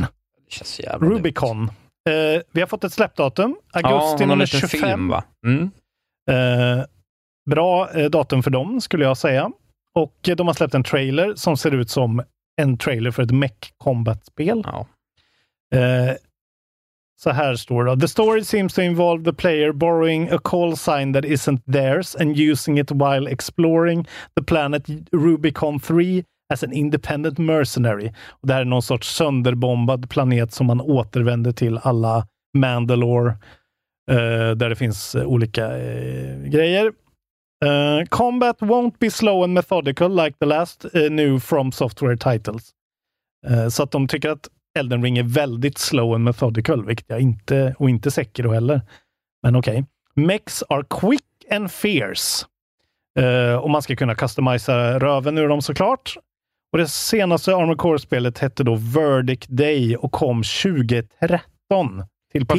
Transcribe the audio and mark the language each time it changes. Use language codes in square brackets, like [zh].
[sv] Det känns jävla Rubicon. Vi har fått ett släppdatum. Augusti nummer 25. Film, va? Mm. Bra datum för dem skulle jag säga. Och de har släppt en trailer som ser ut som en trailer för ett mech-combat-spel. Ja. Så här står det. [en] The story seems to involve the player borrowing a call sign that isn't theirs and using it while exploring the planet Rubicon 3 as an independent mercenary. [sv] Och det här är någon sorts sönderbombad planet som man återvänder till alla Mandalore, där det finns olika grejer. [en] Combat won't be slow and methodical like the last new From Software titles. [sv] Så att de tycker att Elden Ring är väldigt [en] slow and methodical, [sv] vilket jag inte, och inte säker heller. Men okej. [en] Okay. Mechs are quick and fierce. [sv] Och man ska kunna customisa röven ur dem såklart. Och det senaste Armored Core-spelet hette då Verdict Day och kom 2013 till PS3 och Xbox.